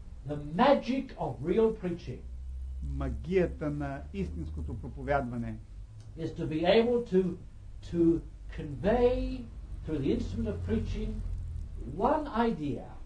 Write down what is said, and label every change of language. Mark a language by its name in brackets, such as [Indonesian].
[English] The magic of real preaching. [Bulgarian] Магията на истинското проповядване [English] is to be able to convey through the instrument of preaching one idea.